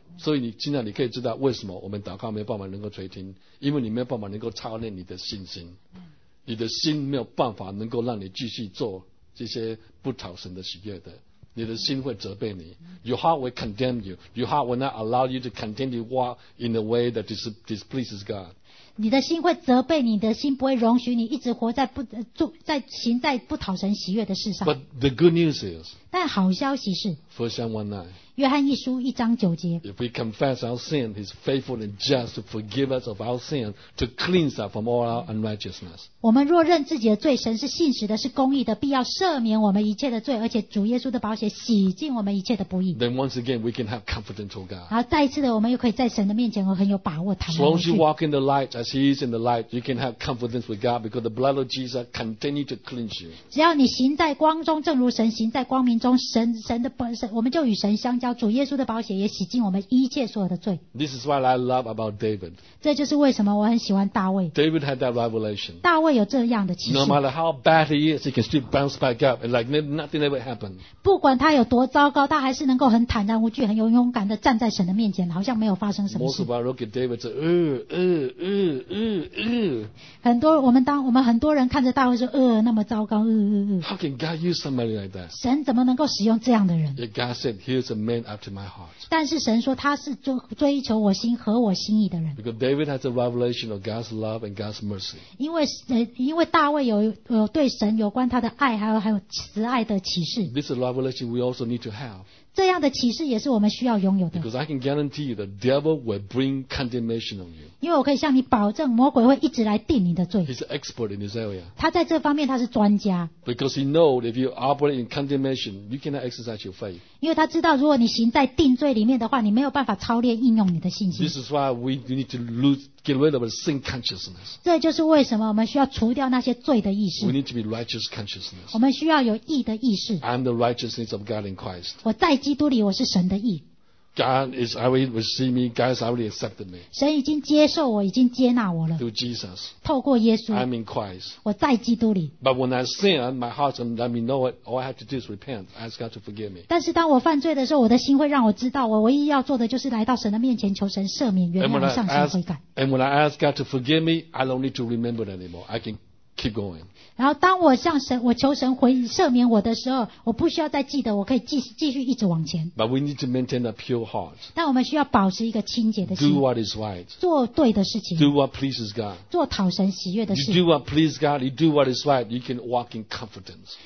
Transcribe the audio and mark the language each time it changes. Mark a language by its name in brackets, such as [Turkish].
[Chinese] 所以你现在你可以知道为什么我们祷告没有办法能够垂听，因为你没有办法能够操练你的信心，你的心没有办法能够让你继续做这些不讨神的喜悦的，你的心会责备你。 [English] Your heart will condemn you. Your heart will not allow you to continue to walk in a way that displeases God. [Chinese] 你的心会责备你的心不会容许你一直活在不做在行在不讨神喜悦的事上。 [English] But the good news is, [Chinese] 但好消息是 [English] 1 John 1:9, [Chinese] 约翰一书一章九节， [English] If we confess our sin, he is faithful and just to forgive us of our sin, to cleanse us from all our unrighteousness. [Chinese] 我们若认自己的罪，神是信实的，是公义的，必要赦免我们一切的罪，而且主耶稣的宝血洗净我们一切的不义。 [English] Then once again, we can have confidence toward God. [Chinese] 然后再一次的，我们又可以在神的面前，我很有把握坦然无惧。 [English] As long as you walk in the light, as he is in the light, you can have confidence with God because the blood of Jesus continues to cleanse you. [Chinese] 只要你行在光中，正如神行在光明中，我们就与神相交，主耶稣的宝血也洗净我们一切所有的罪。 [English] This is what I love about David. [Chinese] 这就是为什么我很喜欢大卫。 [English] David had that revelation. [Chinese] 大卫有这样的启示。 [English] No matter how bad he is, he can still bounce back up and like nothing ever happened. [Chinese] 不管他有多糟糕，他还是能够很坦然无惧，很有勇敢的站在神的面前，好像没有发生什么事。 [English] Most of us look at David say, [Chinese] 很多我们很多人看着大卫说那么糟糕 [English] How can God use somebody like that? [Chinese] 神怎么能够使用这样的人？ [English] Yet God said, "Here's a man after my heart." [Chinese] 但是神说他是追求我心和我心意的人。 [English] Because David has a revelation of God's love and God's mercy. [Chinese] 因为大卫有对神有关他的爱，还有慈爱的启示。 [English] This is a revelation we also need to have. [Chinese] 这样的启示也是我们需要拥有的。 [English] Because I can guarantee you, the devil will bring condemnation on you. [Chinese] 因为我可以向你保证，魔鬼会一直来定你的罪。 [English] He's an expert in this area. [Chinese] 他在这方面他是专家。 [English] Because he knows if you operate in condemnation, you cannot exercise your faith. [Chinese] 因为他知道，如果你行在定罪里面的话，你没有办法操练应用你的信心。 [English] This is why we need to get rid of sin consciousness. [Chinese] 这就是为什么我们需要除掉那些罪的意识。 [English] We need to be righteous consciousness. [Chinese] 我们需要有义的意识。 [English] I'm the righteousness of God in Christ. [Chinese] 我在基督里，我是神的义。 [English] God is already received me. God has already accepted me. [Chinese] 神已经接受我，已经接纳我了。 [English] Through Jesus. [Chinese] 透过耶稣。 [English] I'm in Christ. [Chinese] 我在基督里。 [English] But when I sin, my heart will let me know it. All I have to do is repent. Ask God to forgive me. [Chinese] 但是当我犯罪的时候，我的心会让我知道，我唯一要做的就是来到神的面前，求神赦免，原谅，向神悔改。 [English] And when I ask God to forgive me, I don't need to remember it anymore. I can keep going. [Chinese] 然后当我向神，我求神回赦免我的时候，我不需要再记得，我可以继续一直往前。 [English] But we need to maintain a pure heart. [Chinese] 但我们需要保持一个清洁的心。 [English] Do what is right. [Chinese] 做对的事情。 [English] Do what pleases God. [Chinese] 做讨神喜悦的事。 [English] You do what pleases God. You do what is right. You can walk in confidence.